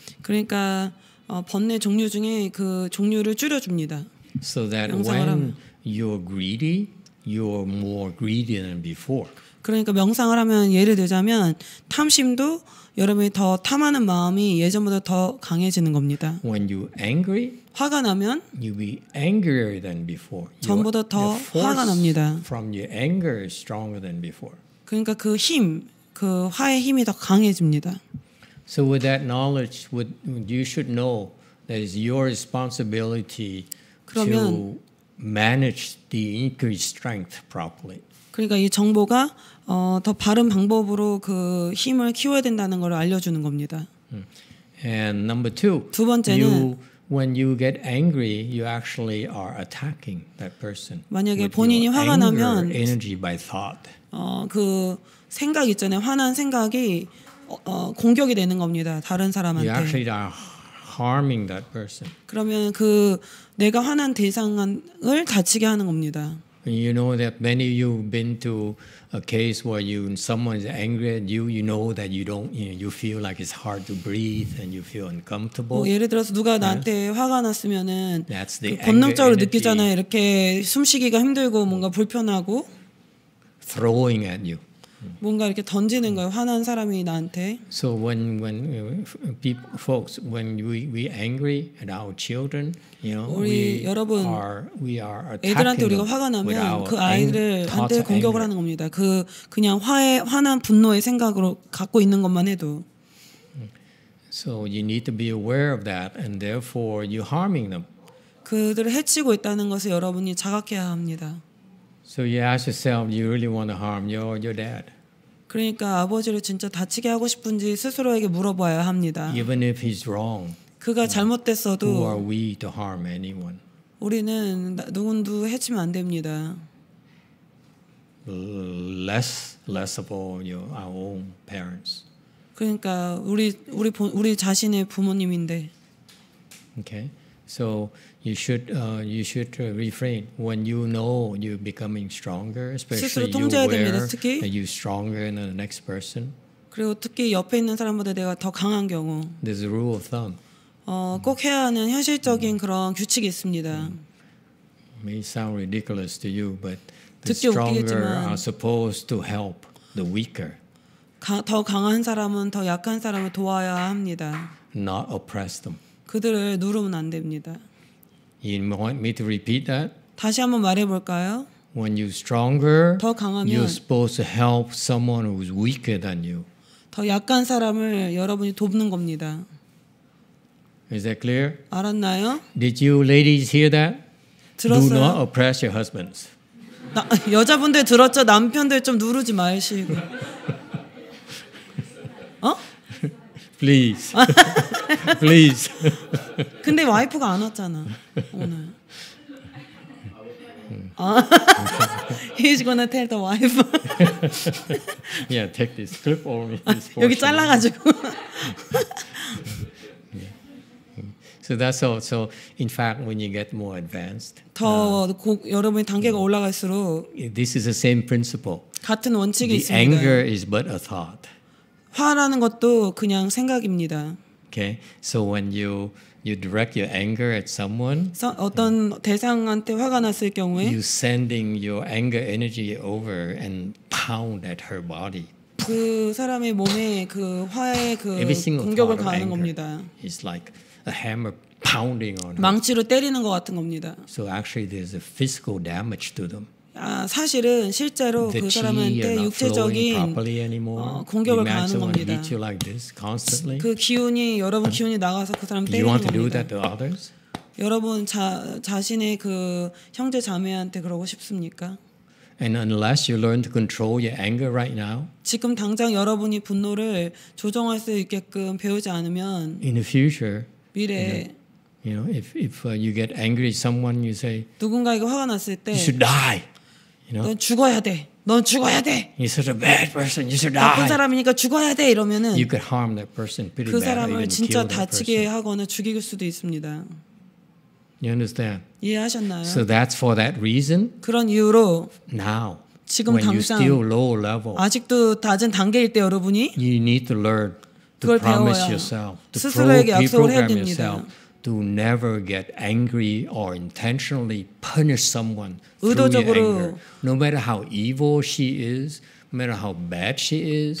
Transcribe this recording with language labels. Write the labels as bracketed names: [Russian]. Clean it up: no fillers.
[Korean] 그러니까 번뇌 종류 중에 그 종류를 줄여 줍니다. [English] So that when you're greedy, you're more greedy than before. [Korean] 그러니까 명상을 하면 예를 들자면 탐심도 여러분이 더 탐하는 마음이 예전보다 더 강해지는 겁니다. [English] When you angry, [Korean] 화가 나면 [English] you be angrier than before. [Korean] 전보다 더 화가 납니다. [English] From your anger is stronger than before. [Korean] 그러니까 그 힘, 그 화의 힘이 더 강해집니다. [English] So with that knowledge, you should know that it's your responsibility to manage the increased strength properly. [Korean] 그러니까 이 정보가 더 바른 방법으로 그 힘을 키워야 된다는 걸 알려주는 겁니다. [English] And number two, [Korean] 두 번째는 [English] when you get angry, you actually are attacking that person. [Korean] 만약에 본인이 화가 나면 [English] energy by thought. [Korean] 그 생각 있잖아요. 화난 생각이 공격이 되는 겁니다. 다른 사람한테. [English] You actually are harming that person. [Korean] 그러면 그 내가 화난 대상을 다치게 하는 겁니다. [English] You know that many of you have been to a case where someone is angry at you. You know that you feel like it's hard to breathe and you feel uncomfortable. [Korean] 뭐 예를 들어서 누가 나한테 [English] yes? [Korean] 화가 났으면은 [English] That's the [Korean] 그 본능적으로 느끼잖아요. 이렇게 숨쉬기가 힘들고 뭔가 불편하고 [English] throwing at you. [Korean] 뭔가 이렇게 던지는 거예요. 화난 사람이 나한테. [English] So when folks, when we angry at our children, you know, [Korean] 우리 여러분, [English] we are [Korean] 애들한테 우리가 화가 나면 그 아이를 한테 공격을 하는 겁니다. 그 그냥 화난 분노의 생각으로 갖고 있는 것만 해도. [English] So you need to be aware of that, and therefore you're harming them. [Korean] 그들을 해치고 있다는 것을 여러분이 자각해야 합니다. [English] So you ask yourself, you really want to harm your dad? [Korean] 그러니까 아버지를 진짜 다치게 하고 싶은지 스스로에게 물어봐야 합니다. [English] Even if he's wrong, [Korean] 그가 잘못됐어도, [English] who are we to harm anyone? [Korean] 우리는 누군도 해치면 안 됩니다. [English] Less of all our own parents. [Korean] 그러니까 우리 자신의 부모님인데. [English] Okay. So you should refrain when you know you're becoming stronger, especially you're aware [Korean] 됩니다, [English] that you're stronger than the next person. [Korean] 그리고 특히 옆에 있는 사람보다 내가 더 강한 경우. [English] There's a rule of thumb. [Korean] 꼭 해야 하는 현실적인 그런 규칙이 있습니다. [English] May sound ridiculous to you, but the stronger are supposed to help the weaker. [Korean] 더 강한 사람은 더 약한 사람을 도와야 합니다. [English] Not oppress them. [Korean] 그들을 누르면 안 됩니다. [English] You want me to repeat that? [Korean] 다시 한번 말해 볼까요? [English] When you're stronger, [Korean] 더 강하면 [English] you're supposed to help someone who's weaker than you. [Korean] 더 약한 사람을 여러분이 돕는 겁니다. [English] Is that clear? [Korean] 알았나요? [English] Did you ladies hear that? [Korean] 들었어요? [English] Do not oppress your husbands. [Korean] 여자분들 들었죠? 남편들 좀 누르지 마시고. [English] 플리즈. 플리즈. [Korean] 근데 와이프가 안 왔잖아. 오늘. [English] 아. He's gonna tell the wife. Yeah, take this clip over me. [Korean] 여기 잘라 가지고. [English] So that's all. So in fact when you get more advanced. [Korean] 더 여러분의 단계가 올라갈수록 [English] this is the same principle. [Korean] 같은 원칙이 있어요. [English] The anger is but a thought. [Korean] 화라는 것도 그냥 생각입니다. [English] Okay, so when you direct your anger at someone, [Korean] 어떤 대상한테 화가 났을 경우에, [English] you sending your anger energy over and pound at her body. [Korean] 그 사람의 몸에 그 화의 그 공격을 가하는 겁니다. [English] It's like a hammer pounding on. [Korean] 망치로 때리는 것 같은 겁니다. [English] So actually, there's a physical damage to them. [Korean] 사실은 실제로 그 사람한테 육체적인 공격을 가하는 겁니다. [English] Like this, [Korean] 그 기운이 여러분 기운이 나가서 그 사람 때리는 겁니다. [English] Do you want to do that to others? [Korean] 여러분 자신의 그 형제 자매한테 그러고 싶습니까? [English] And unless you learn to control your anger right now, [Korean] 지금 당장 여러분이 분노를 조정할 수 있게끔 배우지 않으면 [English] in the future, [Korean] 미래에 [English] you know, if you get angry at someone, you say [Korean] 누군가에게 화가 났을 때 [English] you should die. You know? [Korean] 넌 죽어야 돼. 넌 죽어야 돼. [English] You should a bad person. You should die. [Korean] 나쁜 사람이니까 죽어야 돼. 이러면은 [English] you could harm that person pretty badly. [Korean] 그 사람을 진짜 다치게 하거나 죽일 수도 있습니다. [English] You understand? [Korean] 이해하셨나요? [English] So that's for that reason. [Korean] 그런 이유로 [English] now [Korean] 지금 [English] when [Korean] 당장 [English] you're still lower level, [Korean] 아직도 낮은 단계일 때 여러분이 [English] you need to learn to promise yourself to program yourself to never get angry or intentionally punish someone [Korean] 의도적으로, [English] through your anger. No matter how evil she is, no matter how bad she is,